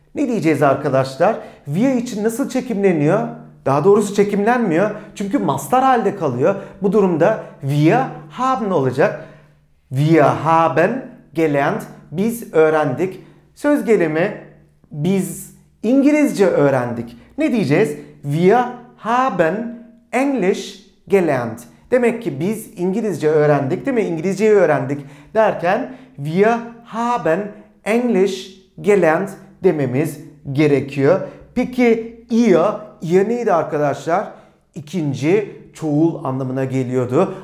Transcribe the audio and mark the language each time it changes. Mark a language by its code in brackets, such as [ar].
[tr] Ne diyeceğiz arkadaşlar? Wir için nasıl çekimleniyor? Daha doğrusu çekimlenmiyor. Çünkü mastar halde kalıyor. Bu durumda [de] wir haben [tr] olacak. [de] Wir haben gelernt. [tr] Biz öğrendik. Söz gelimi biz İngilizce öğrendik. Ne diyeceğiz? [de] Wir haben English gelernt. [tr] Demek ki biz İngilizce öğrendik değil mi? İngilizceyi öğrendik derken [de] wir haben English gelernt [tr] dememiz gerekiyor. Peki ihr neydi arkadaşlar? İkinci çoğul anlamına geliyordu.